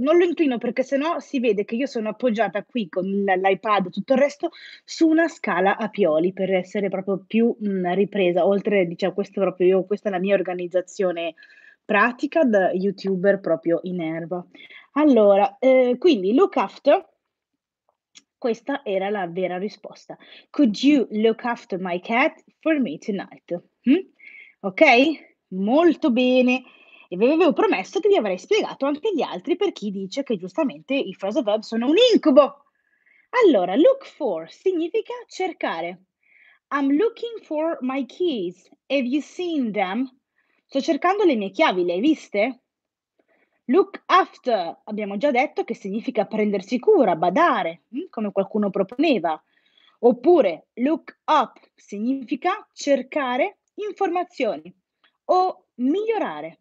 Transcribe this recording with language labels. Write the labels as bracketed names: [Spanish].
[Italian] Non lo inclino perché sennò si vede che io sono appoggiata qui con l'iPad e tutto il resto su una scala a pioli per essere proprio più ripresa. Oltre, diciamo, questo proprio io, questa è la mia organizzazione pratica da YouTuber proprio in erba. Allora, quindi look after, questa era la vera risposta. [English] Could you look after my cat for me tonight? [Italian] Ok? Molto bene. E vi avevo promesso che vi avrei spiegato anche gli altri per chi dice che giustamente i phrasal verb sono un incubo. Allora, [English] look for [Italian] significa cercare. [English] I'm looking for my keys. Have you seen them? [Italian] Sto cercando le mie chiavi, le hai viste? Look after, abbiamo già detto che significa prendersi cura, badare, come qualcuno proponeva. Oppure look up significa cercare informazioni o migliorare.